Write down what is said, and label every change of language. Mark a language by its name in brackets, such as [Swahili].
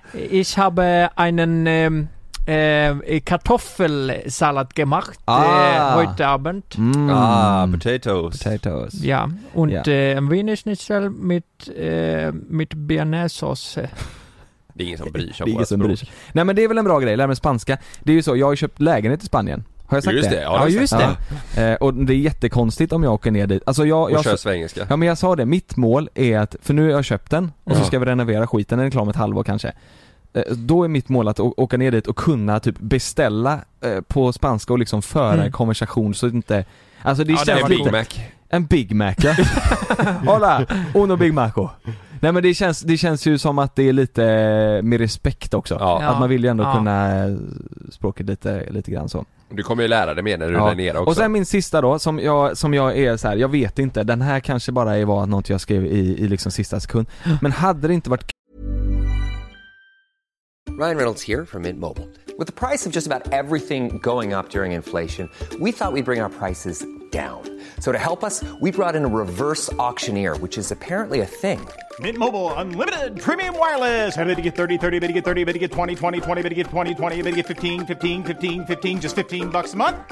[German] Ich habe einen Kartoffelsalat gemacht heute Abend. [English] Mm. Ah, potatoes. [German] Ja, und ein wenig schnitzel mit bearnaisesauce. [Swedish] Det är ingen som bryr sig. Nej, men det är väl en bra grej, lär mig spanska. Det är ju så, jag har köpt lägenhet i Spanien. Har jag sagt just det? Ja, just det. Och det är jättekonstigt om jag åker ner dit. Alltså jag kör svengelska. Ja, men jag sa det, mitt mål är att, för nu har jag köpt den och så ska vi renovera skiten, den är klar med ett halvår kanske. Då är mitt mål att åka ner dit och kunna typ beställa på spanska och liksom föra en konversation så att inte alltså det, ja, det är en Big Mac. Ja. [Spanish] Hola, uno Big Maco. [Swedish] Nej, men det känns ju som att det är lite med respekt också, ja. Att man vill ju ändå kunna språket lite grann så. Du kommer ju lära dig mer när du är nere också. Och sen min sista då, som jag är så här, jag vet inte, den här kanske bara var något jag skrev i liksom sista sekund, men hade det inte varit. [English] Ryan Reynolds here from Mint Mobile. With the price of just about everything going up during inflation, we thought we'd bring our prices down. So to help us, we brought in a reverse auctioneer, which is apparently a thing. Mint Mobile Unlimited Premium Wireless. How to get 30, 30, how to get 30, how to get 20, 20, 20, how to get 20, 20, how to get 15, 15, 15, 15, just $15 a month?